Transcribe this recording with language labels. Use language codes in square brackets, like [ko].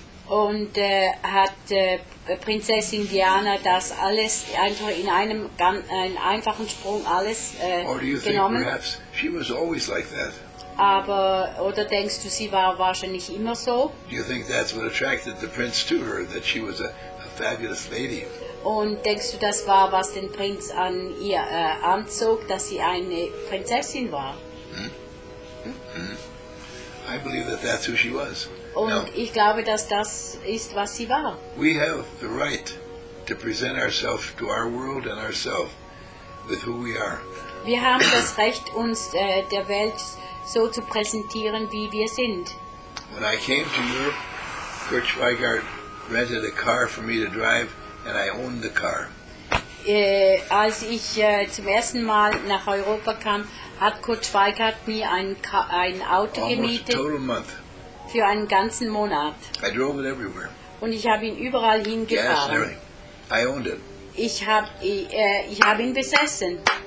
[de] Und hat Prinzessin Diana das alles einfach in einem ganz einfachen Sprung alles genommen? [en] She was always like that. [de] Aber oder denkst du, sie war wahrscheinlich immer so? [en] Do you think that's what attracted the prince to her, that she was a fabulous lady? [de] Und denkst du, das war, was den Prinz an ihr anzog, dass sie eine Prinzessin war? [en] I believe that that's who she was. [de] Und [en] now, [de] ich glaube, dass das ist, was sie war. [en] We have the right to present ourselves to our world and ourselves with who we are. [de] Wir haben das Recht, uns der Welt so zu präsentieren, wie wir sind. [en] When I came to Europe, Kurt Schweigart rented a car for me to drive, and I owned the car. [de] Als ich zum ersten Mal nach Europa kam, hat Kurt Schweikart mir ein Auto gemietet. [en] Almost a total month. [de] Für einen ganzen Monat. [en] I drove it everywhere. [de] Und ich habe ihn überall hingefahren. [en] Yes, I owned it. [de] Ich hab ihn besessen.